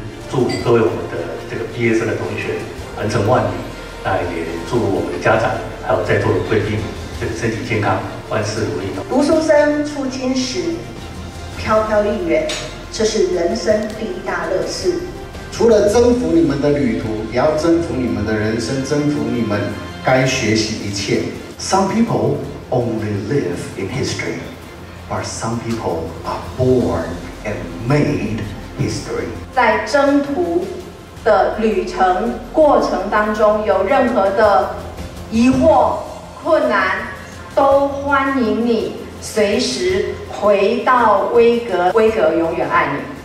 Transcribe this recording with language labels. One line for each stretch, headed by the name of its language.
Chinese: 祝各位我们的这个毕业生的同学鹏程万里，那也祝我们的家长还有在座的贵宾这个身体健康，万事如意。读书生出京时飘飘逸远，这是人生第一大乐事。除了征服你们的旅途，也要征服你们的人生，征服你们该学习一切。
English: Some people only live in history, but some people are born and made history.
Chinese: 在征途的旅程过程当中，有任何的疑惑、困难，都欢迎你随时回到威格，威格永远爱你。